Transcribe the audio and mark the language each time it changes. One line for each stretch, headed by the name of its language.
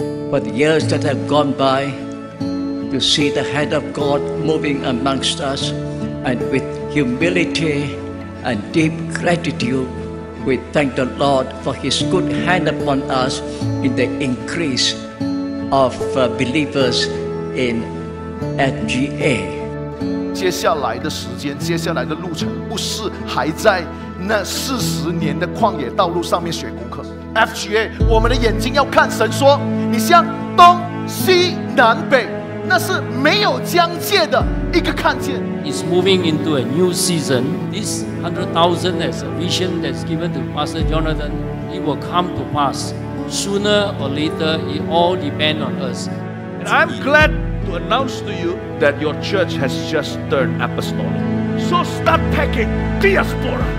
English: But the years that have gone by, to see the hand of God moving amongst us and with humility and deep gratitude, we thank the Lord for His good hand upon us in the increase of believers in FGA.
Chinese: 接下来的时间，接下来的路程，不是还在那四十年的旷野道路上面学功课。FGA， 我们的眼睛要看神说，你向东西南北，那是没有疆界的一个看见。
English: It's moving into a new season. This 100,000 as a vision that's given to Pastor Jonathan, it will come to pass sooner or later. It all depends on us. And I'm glad to announce to you that your church has just turned apostolic. So start packing, diaspora.